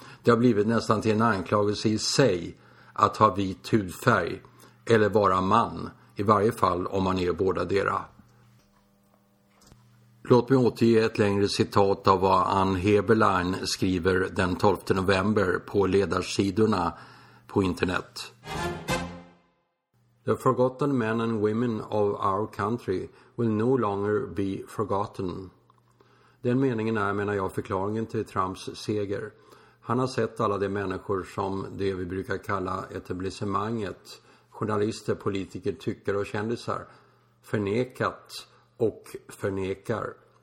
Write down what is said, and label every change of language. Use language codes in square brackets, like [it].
[sv] Det har blivit nästan till en anklagelse i sig att ha vit hudfärg eller vara man, i varje fall om man är båda dera. Låt mig återge ett längre citat av vad Ann Heberlein skriver den 12 november på ledarsidorna på internet. [en] The forgotten men and women of our country will no longer be forgotten. [sv] Den meningen är, menar jag, förklaringen till Trumps seger. Han har sett alla de människor som det vi brukar kalla etablissemanget, journalister, politiker, tyckare och kändisar, förnekat och förnekar.